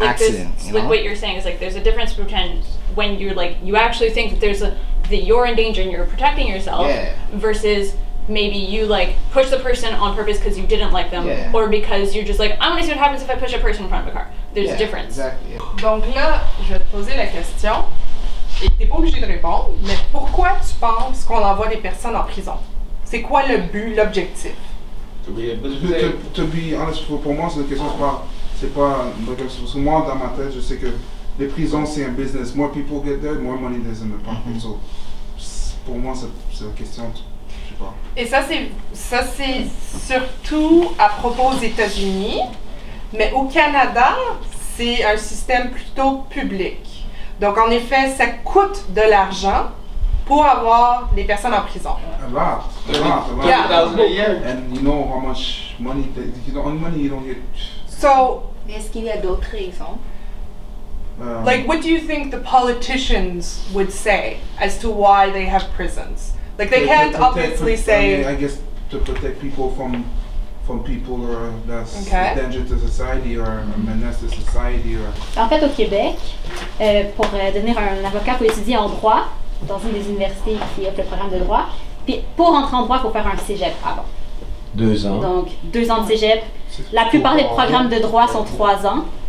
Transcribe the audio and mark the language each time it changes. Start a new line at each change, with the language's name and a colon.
English: like accident, this, you know? Like, what you're saying is, like, there's a difference between when you're, like, you actually think that there's a, that you're in danger and you're protecting yourself, yeah. Versus maybe you, like, push the person on purpose because you didn't like them, yeah. Or because you're just like, I'm gonna see what happens if I push a person in front of a car. There's yeah, a difference. Exactly.
French: Donc là, je vais te poser la question, et t'es pas obligé de répondre, mais pourquoi tu penses qu'on envoie des personnes en prison? C'est quoi le but, l'objectif?
English: To be honest,
French: pour moi, cette question, c'est pas... Parce que moi, dans ma tête, je sais que les prisons, c'est un business.
English: More people get there, more money there's in the pocket. Mm-hmm. So,
French: pour moi, c'est la question, je sais pas. Et ça, c'est surtout à propos aux États-Unis, mais au Canada, c'est un système plutôt public. Donc, en effet, ça coûte de l'argent pour avoir les personnes en prison.
English: A lot. Yeah. And you know how much money, if you don't earn money, you don't get. So,
French: est-ce qu'il y a d'autres raisons?
English: Like, what do you think the politicians would say as to why they have prisons? Like, they can't obviously say... I mean, I guess to protect people from people or that's okay. A danger to society or a menace to society or...
French: En fait, au Québec, pour devenir un avocat, pour étudier en droit, dans une des universités qui offre le programme de droit. Puis pour entrer en droit, il faut faire un cégep avant. Deux ans. Donc, deux ans de cégep. La plupart des programmes de droit sont trois ans.